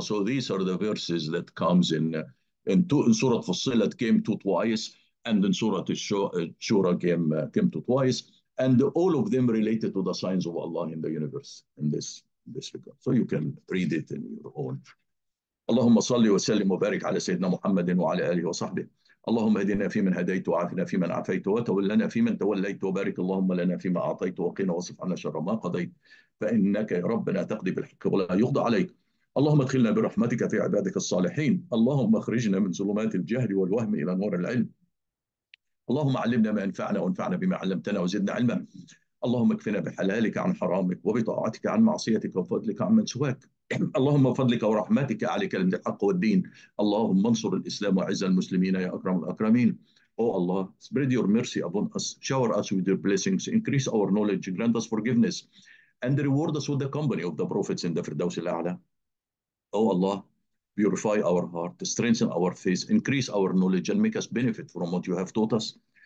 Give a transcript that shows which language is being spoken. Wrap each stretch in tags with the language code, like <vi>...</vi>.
<en>So these are the verses that comes in surah Fussilat came to twice, and in surah Shura came to twice, and all of them related to the signs of Allah in the universe in this regard. So you can read it in your own.</en> <ar>اللهم صل وسلم وبارك على سيدنا محمد وعلى آله وصحبه. اللهم اهدنا فيمن هديت وعافنا فيمن عافيت وتولنا فيمن توليت وبارك اللهم لنا فيما أعطيت وقنا واصرف عنا شر ما قضيت فإنك يا ربنا تقضي بالحق ولا يقضى عليك. اللهم ادخلنا برحمتك في عبادك الصالحين. اللهم اخرجنا من ظلمات الجهل والوهم إلى نور العلم. اللهم علمنا ما ينفعنا وانفعنا بما علمتنا وزدنا علما. اللهم اكفنا بحلالك عن حرامك وبطاعتك عن معصيتك وفضلك عن من سواك. اللهم فضلك ورحمتك على كلمة الحق والدين، اللهم انصر الإسلام وعز المسلمين يا أكرم الأكرمين.</ar> <en>Oh Allah, spread your mercy upon us, shower us with your blessings, increase our knowledge, grant us forgiveness, and reward us with the company of the prophets in the Firdaus al-A'la. Oh Allah, purify our heart, strengthen our faith, increase our knowledge, and make us benefit from what you have taught us.</en>